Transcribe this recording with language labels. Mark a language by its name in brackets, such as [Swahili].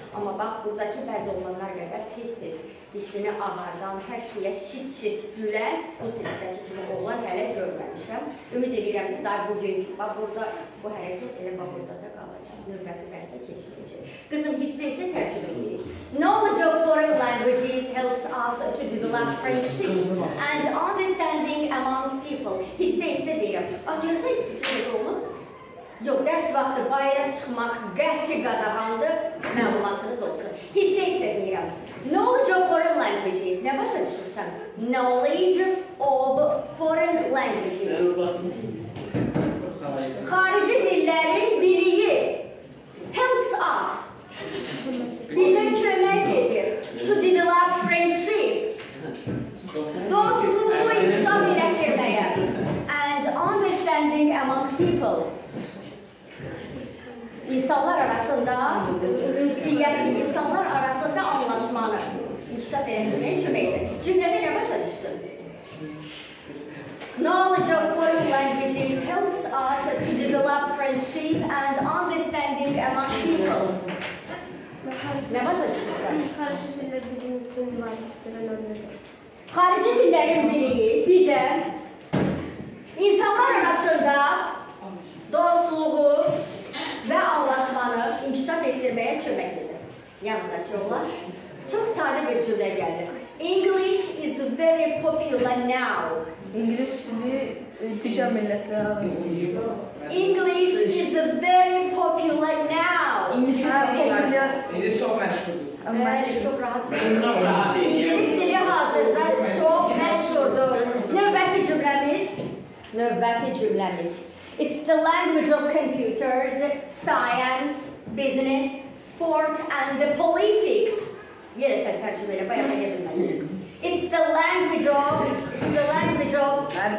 [Azerbaijani] Amma bax, buradakı bəzi oğlanlar qədər tez-tez dişini ağardan, hər şeyə şit-şit gülən bu sinifdəki kimi oğlan hələ görməmişəm. Ümid edirəm ki, daha bugün, bax, burada bu hərəkət elə bax, burada da qalacaq. Növbəti dərsə keçirəcək. Qızım, hissə isə tərcüm edirik. [English] Knowledge of foreign languages helps us to develop friendship and understanding among people. [Azerbaijani] Hissə isə deyirəm. Bax, görsən, içində oğlum. Yox, dərs vaxtı bayra çıxmaq qəti qadağandı, məlumatınız olsun. Hissə isə deyirəm. [English] Knowledge of foreign languages. [Azerbaijani] Nə başa düşürsən? [English] Knowledge of foreign languages. [Azerbaijani] Xarici dillərin biliyi. [English] Helps us. [Azerbaijani] Bizə kömək edir. [English] To develop friendship. [Azerbaijani] Dostluğu inşaat etməyə. [English] And understanding among people. [Azerbaijani] İnsanlar arasında ünsiyyət, insanlar arasında anlaşmanı inkişaf etməyə kömək edir. Cümlədə nə başa düşdün? [English] Knowledge of foreign languages helps us to develop friendship and understanding among people. [Azerbaijani] Nə başa düşürsən? Xarici dillər bizim üçün vacibdir, önəmlidir. Xarici dillərin biliyi bizə insanlar arasında dostluğu və anlaşmanı inkişaf etdirməyə kömək edir. Yanındakı onlar çox sadə bir cümlə gəlir. [English] English is very popular now. [Azerbaijani] İngilis dili digər millətlərə arasında. [English] English is very popular now. [Azerbaijani] İngilis dili çox məşhurdur. Bəli, çox rahatdır. İngilis dili hazırda çox məşhurdur. Növbəti cümləmiz. Növbəti cümləmiz. [English] It's the language of computers, science, business, sport and the politics. Yes, I can't remember. It's the language of. It's the language of.